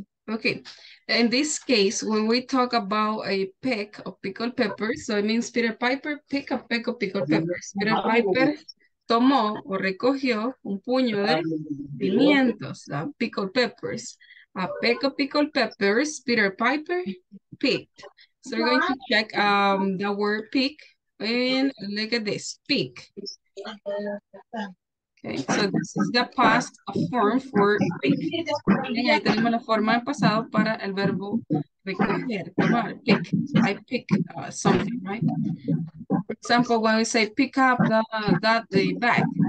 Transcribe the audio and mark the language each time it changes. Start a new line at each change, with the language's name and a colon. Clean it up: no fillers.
English: Okay, in this case, when we talk about a peck of pickled peppers, so it means Peter Piper picked a peck of pickled peppers.
Spanish: Peter Piper tomó o recogió un puño de pimientos,
English: pickled peppers. A peck of pickled peppers, Peter Piper picked. So we're going to check the word pick, and look at this, pick. Okay, so this is the past form for pick.
Spanish: Y ahí tenemos la forma en pasado para el verbo recoger, tomar, pick.
English: I pick something, right? For example, when we say pick up that bag.